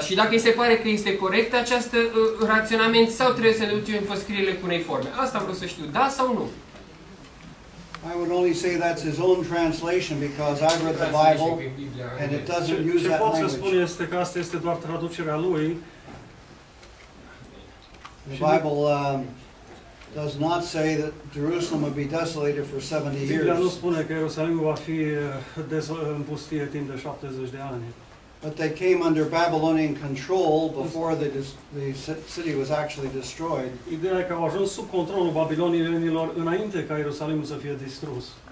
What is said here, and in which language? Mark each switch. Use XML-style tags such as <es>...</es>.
<ro>Și dacă îi se pare că este corect acest raționament sau trebuie să le ducem în păscrile cu uniforme. Asta vreau să știu, da sau nu?</ro> <en>I would only say that's his own translation because I've read the Bible and it doesn't use that language.</en> <ro>Ce pot să spun este că asta este doar traducerea lui.</ro> <en>The Bible does not say that Jerusalem would be desolated for 70 years.</en> <ro>Biblia nu spune că Ierusalimul va fi în pustie timp de 70 de ani.</ro> <en>But they came under Babylonian control before the city was actually destroyed.</en> <ro>Ideea că au ajuns sub controlul babilonienilor înainte ca Ierusalimul să fie distrus.</ro>